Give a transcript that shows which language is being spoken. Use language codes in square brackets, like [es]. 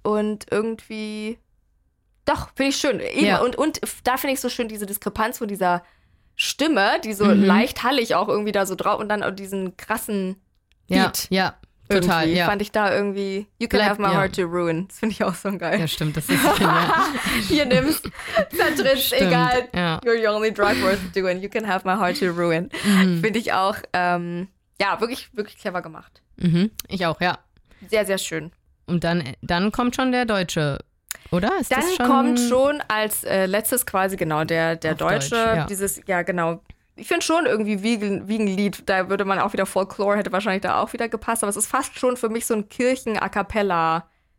[de] Und irgendwie, doch, finde ich schön. Eben. Ja. Und da finde ich so schön diese Diskrepanz von dieser Stimme, die so leicht hallig auch irgendwie da so drauf und dann auch diesen krassen Beat. Ja, ja. Total, irgendwie, ja. Fand ich da irgendwie, [en] you can have my heart to ruin. [de] Das finde ich auch so geil. Ja, stimmt, das ist genial. Hier nimmst, zertritt, egal. Ja. [en] You're your only drug worth doing. You can have my heart to ruin. [de] Finde ich auch, wirklich, wirklich clever gemacht. Mhm. Ich auch, ja. Sehr, sehr schön. Und dann kommt schon der Deutsche, oder? Ist dann das schon? Kommt schon als letztes quasi, genau, der Deutsche. Deutsch, ja. Dieses, ja, genau. Ich finde schon irgendwie Wiegenlied, da würde man auch wieder Folklore, hätte wahrscheinlich da auch wieder gepasst, aber es ist fast schon für mich so ein Kirchen-A-Cappella.